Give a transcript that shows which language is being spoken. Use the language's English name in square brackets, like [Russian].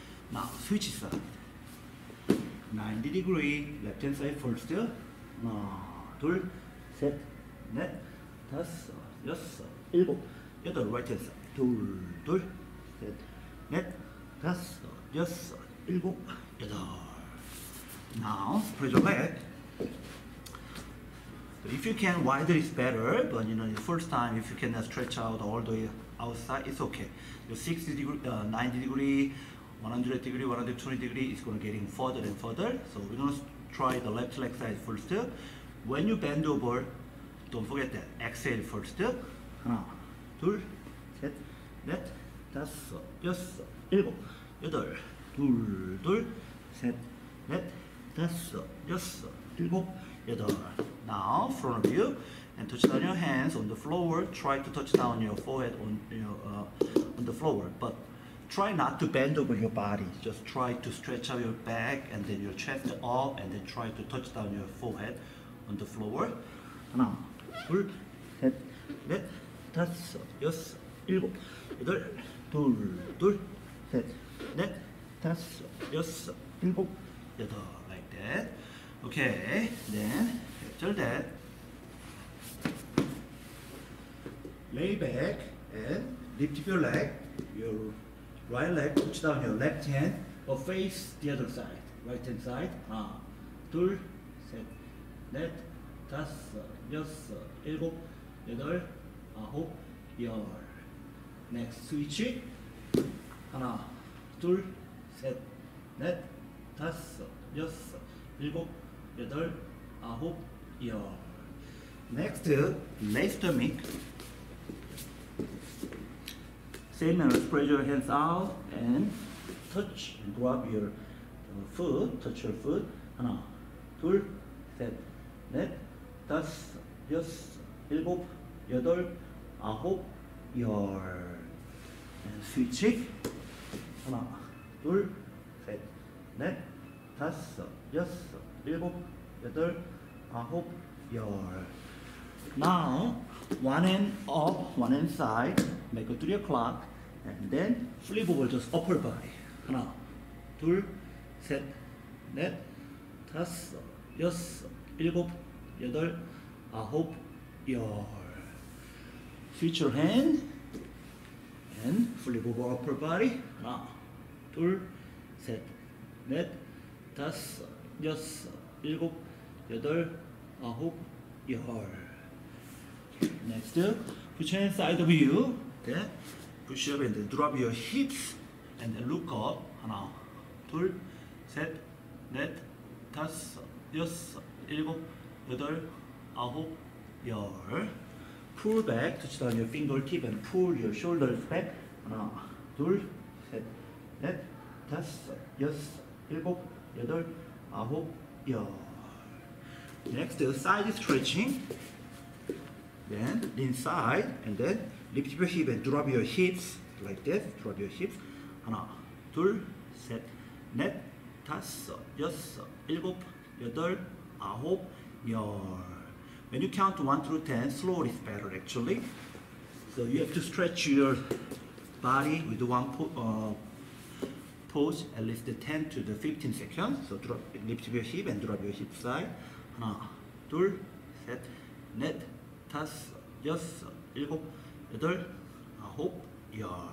[English] Now, switch side. 90 degree, left hand side first. [Korean] 하나, 둘, 셋, 넷, 다섯, 여섯, 일곱, 여덟, [English] right hand side. [Korean] 둘, 둘, 셋, 넷, 다섯, 여섯, 일곱, 여덟. [English] Now, spread your leg. So if you can, wider is better, but you know, the first time, if you can stretch out all the way outside, it's okay. The 90 degree, 100 degree, 120 degree is going to getting further and further. So we're going to try the left leg side first. When you bend over, don't forget that. Exhale first. [Korean] 하나, 둘, 셋, 넷, 다섯, 여섯, 일곱, 여덟. 둘, 둘, 셋, 넷, 다섯, 여섯, 일곱, 여덟. [English] Now, front of you, and touch down your hands on the floor. Try to touch down your forehead on the floor. But try not to bend over your body. Just try to stretch out your back and then your chest up and then try to touch down your forehead on the floor. [Korean] 하나, 둘, 셋, 넷, 다섯, 여섯, 일곱, 여덟, 둘, 둘, 셋, 넷, 다섯, 여섯, 일곱, 여덟. [English] Like that. Okay, then after that, lay back and lift up your leg, your right leg, touch down your left hand, or face the other side, right hand side. [Korean] 하나, 둘, 셋, 넷, 다섯, 여섯, 일곱, 여덟, 아홉, 열. [English] Next, switch. [Korean] 하나, 둘, 셋, 넷, 다섯, 여섯, 일곱, 여덟, 아홉, 열. [English] Next, left stomach. Same manner, spread your hands out and touch and grab your foot, touch your foot. 하나, [Korean] 둘, 셋, 넷, 다섯, 여섯, 일곱, 여덟, 아홉, 열. 스위치. 하나, 둘, 셋, 넷, 다섯, 여섯, 일곱, 여덟, 아홉, 열. [English] Now, one end up, one end side, make a 3 o'clock, and then flip over just upper body. [Korean] 하나, 둘, 셋, 넷, 다섯, 여섯, 일곱, 여덟, 아홉, 열. [English] Switch your hand, and flip over upper body. [Korean] 하나, 둘, 셋, 넷, 다섯, 여섯, 일곱, 여덟, 아홉, 열. [English] Next, put your hand side of you, then push up and then drop your hips and then look up. [Korean] 하나, 둘, 셋, 넷, 다섯, 여섯, 일곱, 여덟, 아홉, 열. [English] Pull back, touch down your fingertip and pull your shoulders back. [Korean] 하나, 둘, 셋, 넷, 다섯, 여섯, 일곱, 여덟, 아홉, 열. [English] Next, side stretching. Then lean side and then lift your hip and drop your hips like this. Drop your hips. [Korean] 하나, 둘, 셋, 넷, 다섯, 여섯, 일곱, 여덟, 아홉, 열. [English] When you count 1 through 10, slowly is better actually. So you have to stretch your body with one pose at least 10 to the 15 seconds. So drop, lift your hip and drop your hip side. [Korean] 하나, 둘, 셋, 넷, 다섯, 여섯, 일곱, 여덟, 아홉, 열.